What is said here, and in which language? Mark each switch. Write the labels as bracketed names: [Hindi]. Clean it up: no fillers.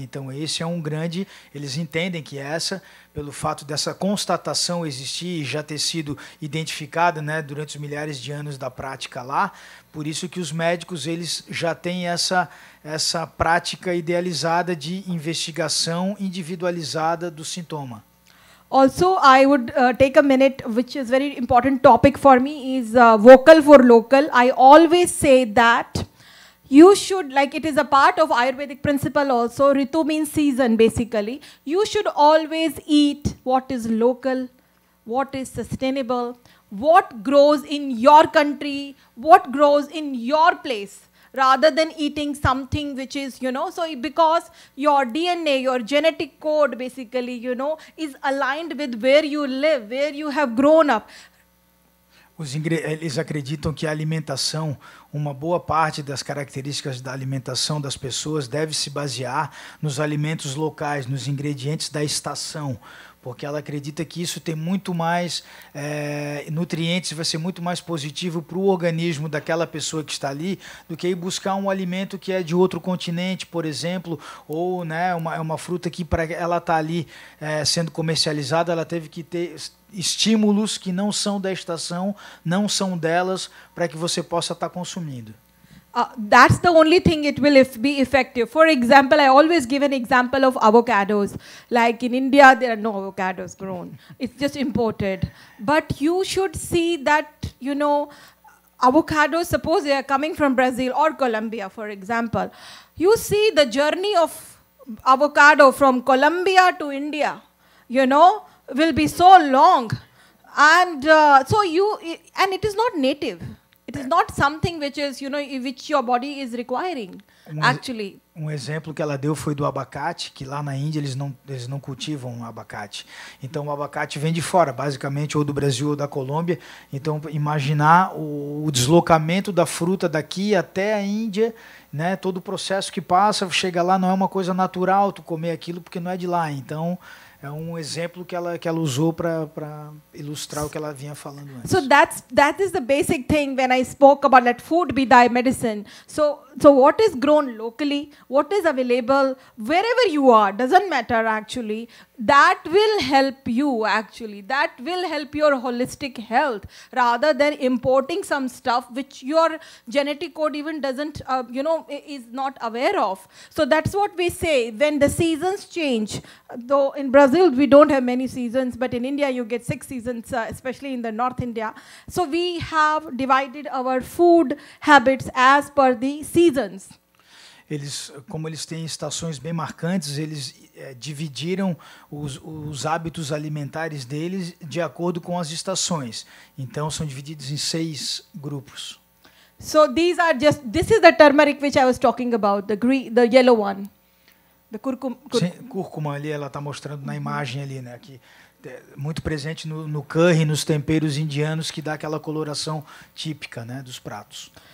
[Portuguese] Então, esse é um grande... Eles entendem que essa, pelo fato dessa constatação existir e já ter sido identificada, né, durante os milhares de anos da prática lá, por isso que os médicos eles já têm essa prática idealizada de investigação individualizada do sintoma. [English] Also, I would take a minute, which is very important topic for me, is vocal for local. I always say that you should, like it is a part of Ayurvedic principle also, Ritu means season basically. You should always eat what is local, what is sustainable, what grows in your country, what grows in your place, rather than eating something which is, you know, so because your DNA, your genetic code basically, you know, is aligned with where you live, where you have grown up. [Portuguese] Eles acreditam que a alimentação, uma boa parte das características da alimentação das pessoas deve se basear nos alimentos locais, nos ingredientes da estação, porque ela acredita que isso tem muito mais nutrientes, vai ser muito mais positivo para o organismo daquela pessoa que está ali do que ir buscar um alimento que é de outro continente, por exemplo, ou né, uma fruta que para ela estar ali sendo comercializada, ela teve que ter estímulos que não são da estação, não são delas, para que você possa estar consumindo. [English] That's the only thing it will be effective. For example, I always give an example of avocados. Like in India, there are no avocados grown. It's just imported. But you should see that, you know, avocados, suppose they are coming from Brazil or Colombia, for example. You see the journey of avocado from Colombia to India, you know, will be so long. And and it is not native. It is not something which is, you know, which your body is requiring, actually. [Portuguese] Um exemplo que ela deu foi do abacate, que lá na Índia eles não cultivam abacate. Então o abacate vem de fora, basicamente, ou do Brasil ou da Colômbia. Então imaginar o deslocamento da fruta daqui até a Índia, né, todo o processo que passa, chega lá, não é uma coisa natural tu comer aquilo porque não é de lá. Então é um exemplo que ela usou para ilustrar o que ela vinha falando antes. [English] So that is the basic thing when I spoke about let food be thy medicine. So what is grown locally, what is available wherever you are, doesn't matter actually. That will help you actually. That will help your holistic health rather than importing some stuff which your genetic code even doesn't is not aware of. So that's what we say when the seasons change. Though in Brazil we don't have many seasons, but in India you get 6 seasons, especially in the North India. So we have divided our food habits as per the seasons. [Portuguese] Eles, como eles têm estações bem marcantes, eles dividiram os hábitos alimentares deles de acordo com as estações. Então são divididos em 6 grupos. [English] So these are just, this is the turmeric which I was talking about, the green, the yellow one. [Portuguese] The cúrcuma ali, ela está mostrando na imagem ali, né, que é muito presente no curry, nos temperos indianos, que dá aquela coloração típica, né, dos pratos.